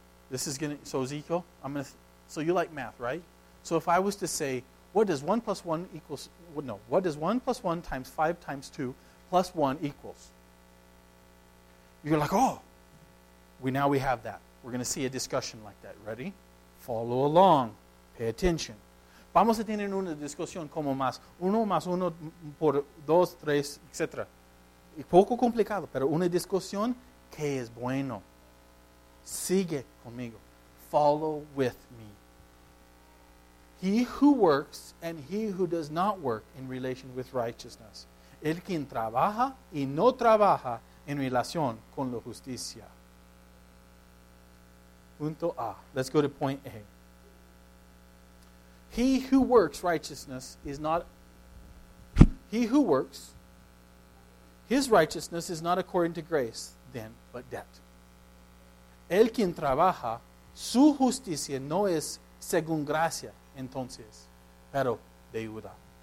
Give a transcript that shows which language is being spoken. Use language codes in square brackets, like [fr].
[en] This is going to. So, Ezekiel, so you like math, right? So if I was to say, what does 1 plus 1 times 5 times 2 plus 1 equals? You're like, oh, now we have that. We're going to see a discussion like that. Ready? Follow along. Pay attention. [es] Vamos a tener una discusión como más 1 más 1 por 2, 3, etc. Y poco complicado, pero una discusión que es bueno. Sigue conmigo. [en] Follow with me. He who works and he who does not work in relation with righteousness. [es] el quien trabaja y no trabaja en relación con la justicia. Punto A. [en] Let's go to point A. He who works righteousness is not... He who works, his righteousness is not according to grace, then, but debt. [es] El quien trabaja, su justicia no es según gracia, entonces, pero deuda.